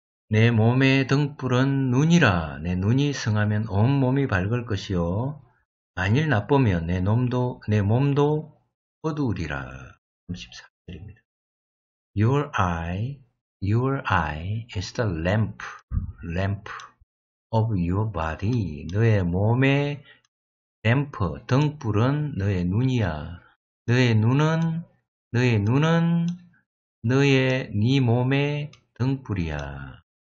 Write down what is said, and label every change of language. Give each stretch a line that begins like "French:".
Korean: 내 몸의 등불은 눈이라. 내 눈이 성하면 온 몸이 밝을 것이요. 만일 나쁘면 내 몸도 어두우리라. 34절입니다.
English: Your eye is the lamp of your body.
Korean: 너의 몸의 램프, 등불은 너의 눈이야. 너의 눈은 너의 네 몸의 등불이야.